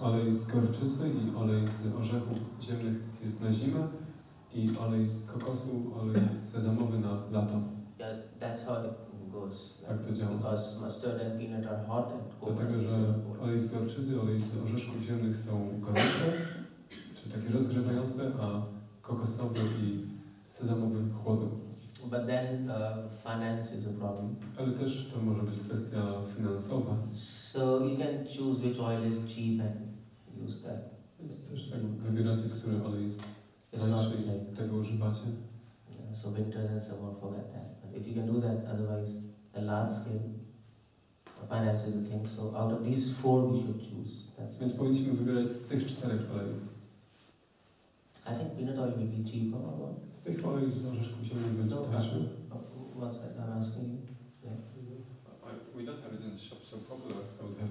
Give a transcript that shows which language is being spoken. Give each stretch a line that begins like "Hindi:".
Polish: Olej z gorczycy i olej z orzechów ziemnych jest na zimę i olej z kokosu, olej sezamowy na lato.
English: Yeah, that's how it goes.
Polish: Tak to działa.
English: Because mustard and peanut are hot and coconut is cold.
Polish: Dlatego, że olej z gorczycy, olej z orzeszków ziemnych są gorące, czy takie rozgrzewające, a kokosowy i sezamowy chłodzą.
English: But then finance is a problem.
Polish: Ale też to może być kwestia finansowa.
English: So you can choose which oil is cheap and use that.
Polish: Jest też tak, wybieracie, który olej jest tańszy i tego używacie.
English: Yeah, so winter and summer for that. If you can do that, otherwise a large scale, a finance is a thing. So out of these four we should choose. That's
Polish: Więc powinniśmy wybierać z tych czterech olejów.
English: I think peanut oil will be cheaper.
Polish: Tych olej z orzeszków ziemnych będzie tańszy.
English: What's that? I'm asking you. We don't have it in the shop, so probably I would have